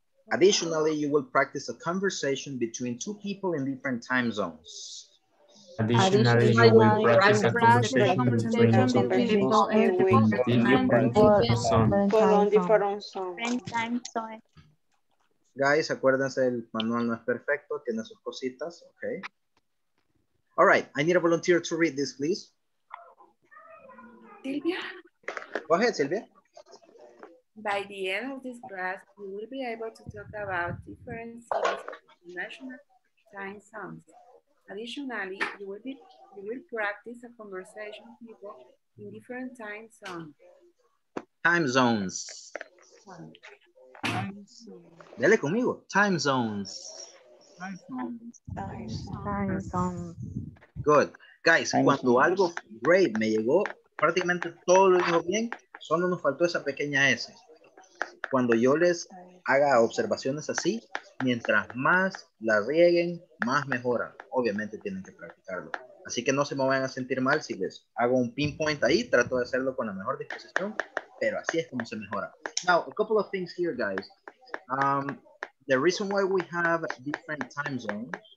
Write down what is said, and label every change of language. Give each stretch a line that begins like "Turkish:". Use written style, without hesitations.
English: Additionally, you will practice a conversation between two people in different time zones. Additionally, you will practice a conversation between two people in different time zones.
Spanish: Guys, acuérdense, el manual no es perfecto, tiene sus cositas, okay?
English: All right, I need a volunteer to read this, please. Silvia? Go ahead, Silvia. By the end of this class, we will be able to talk about different cities and national time zones. Additionally, you will practice a conversation with people in different time zones. Time zones.
Spanish: Dale conmigo.
English: Time zones. Time zones. Good.
Spanish: Guys, cuando algo great me llegó, prácticamente todo lo dijo bien, solo nos faltó esa pequeña S. Cuando yo les haga observaciones así, mientras más la rieguen, más mejoran. Obviamente tienen que practicarlo. Así que no se me vayan a sentir mal si les hago un pinpoint ahí, trato de hacerlo con la mejor disposición, pero así es como se mejora.
English: Now, a couple of things here, guys. The reason why we have different time zones.